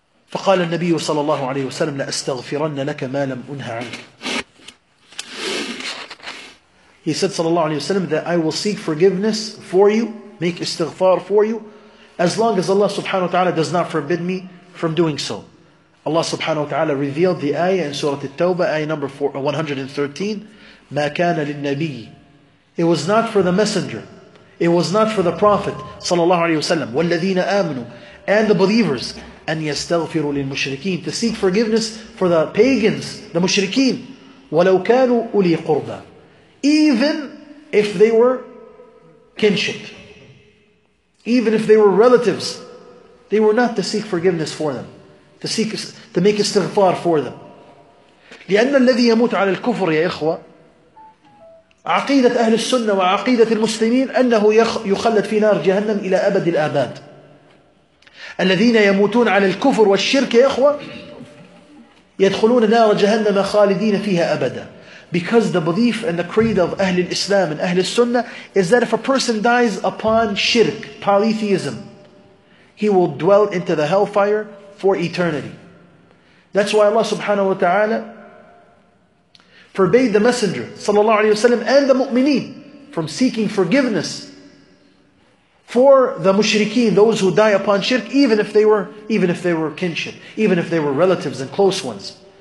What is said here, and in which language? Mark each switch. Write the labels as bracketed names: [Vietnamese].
[Arabic] فقال النبي صلى الله عليه وسلم لأستغفرن لك ما لم أنه عنك. [English] He said, sallallahu alayhi wa sallam, that I will seek forgiveness for you, make istighfar for you, as long as Allah subhanahu wa ta'ala does not forbid me from doing so. Allah subhanahu wa ta'ala revealed the ayah in Surah At-Tawbah, ayah number 113, [Arabic] مَا كَانَ لِلنَّبِيِّ. [English] It was not for the messenger. It was not for the prophet, sallallahu alayhi wa sallam, [Arabic] وَالَّذِينَ آمَنُوا, [English] and the believers, [Arabic] أَنْ يَسْتَغْفِرُوا لِلْمُشْرِكِينَ, [English] to seek forgiveness for the pagans, the mushrikeen, [Arabic] وَلَوْ كَانُوا أُولِي قُرْبَى, [English] even if they were kinship, even if they were relatives, they were not to seek forgiveness for them, to make istighfar for them. [Arabic] لأن الذي يموت على الكفر يا إخوة عقيدة أهل السنة وعقيدة المسلمين أنه يخلد في نار جهنم إلى أبد الآباد. الذين يموتون على الكفر والشرك يا إخوة يدخلون نار جهنم خالدين فيها أبدا. [English] Because the belief and the creed of Ahlul Islam and Ahlul Sunnah is that if a person dies upon shirk, polytheism, he will dwell into the hellfire for eternity. That's why Allah subhanahu wa ta'ala forbade the Messenger sallallahu alayhi wa sallam and the mu'mineen from seeking forgiveness for the mushrikeen, those who die upon shirk, even if they were kinship, even if they were relatives and close ones.